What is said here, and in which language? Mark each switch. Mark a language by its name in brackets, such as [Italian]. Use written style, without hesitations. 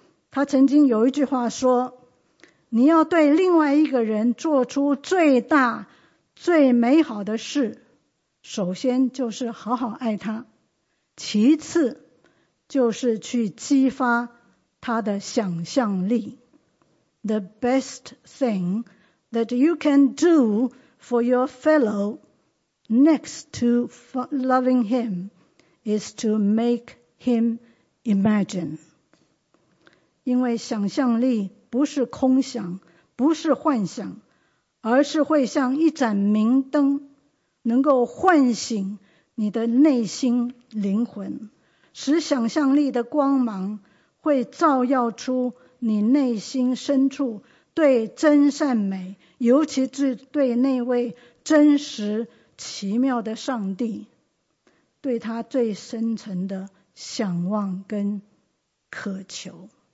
[Chinese] 他曾经有一句话说，你要对另外一个人做出最大最美好的事，首先就是好好爱他，其次就是去激发他的想象力。 [English] The best thing that you can do for your fellow next to loving him is to make him imagine. [Chinese] 因为想象力不是空想，不是幻想，而是会像一盏明灯，能够唤醒你的内心灵魂，使想象力的光芒会照耀出你内心深处对真善美，尤其是对那位真实奇妙的上帝，对他最深层的向往跟渴求。